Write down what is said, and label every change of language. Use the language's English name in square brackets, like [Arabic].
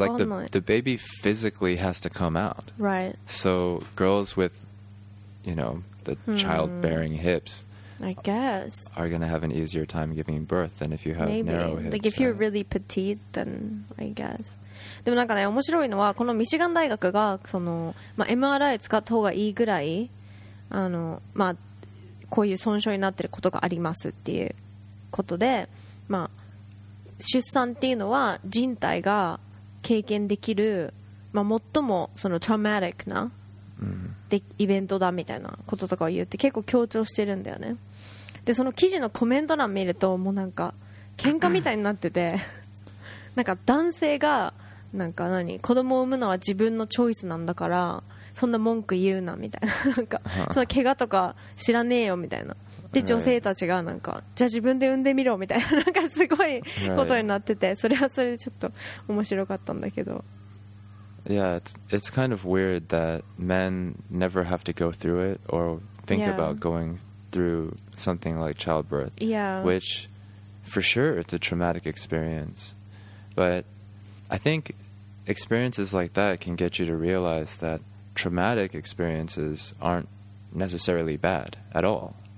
[English] Like the baby physically has to come out. Right. So girls with, you know, the childbearing hips I guess. Are going to have an easier time giving birth than if you have Maybe. Narrow hips. Like if you're really petite, then I guess. [Japanese] でもなんかね、面白いのはこのミシガン大学がその、まあ、MRI 使った方がいいぐらいあの、まあ、こういう損傷になってることがありますっていうことで、まあ、出産っていうのは人体が経験できる、まあ、最もそのトラマティックなイベントだみたいなこととかを言って結構強調してるんだよね。でその記事のコメント欄見るともうなんか喧嘩みたいになっててなんか男性がなんか何子供を産むのは自分のチョイスなんだからそんな文句言うなみたいな、 なんかその怪我とか知らねえよみたいな。で女性たちがなんか、right. じゃあ自分で産んでみろみたいななんかすごいことになってて、それはそれでちょっと面白かったんだけど。 [English] Yeah, it's kind of weird that men never have to go through it or think yeah. about going through something like childbirth. Yeah. Which, for sure, it's a traumatic experience. But I think experiences like that can get you to realize that traumatic experiences aren't necessarily bad at all.